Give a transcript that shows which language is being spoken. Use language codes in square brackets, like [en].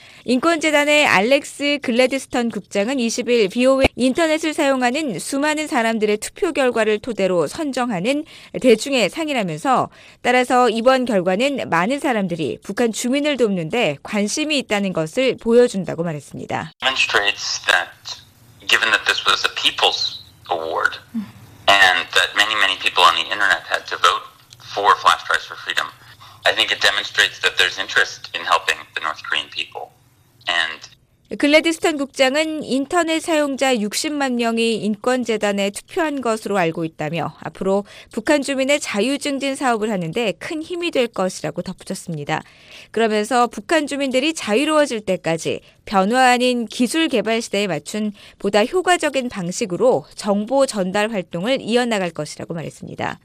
[ko] 인권재단의 알렉스 글래드스턴 국장은 20일 VOA 인터넷을 사용하는 수많은 사람들의 투표 결과를 토대로 선정하는 대중의 상이라면서 따라서 이번 결과는 많은 사람들이 북한 주민을 돕는 데 관심이 있다는 것을 보여준다고 말했습니다. [en] Demonstrates that given that this was a people's award and that many, many people on the internet had to vote for Flash Drives for Freedom, I think it demonstrates that there's interest in helping the North Korean people. [ko] 글래드스턴 국장은 인터넷 사용자 60만 명이 인권재단에 투표한 것으로 알고 있다며 앞으로 북한 주민의 자유 증진 사업을 하는 데 큰 힘이 될 것이라고 덧붙였습니다. 그러면서 북한 주민들이 자유로워질 때까지 변화 아닌 기술 개발 시대에 맞춘 보다 효과적인 방식으로 정보 전달 활동을 이어나갈 것이라고 말했습니다.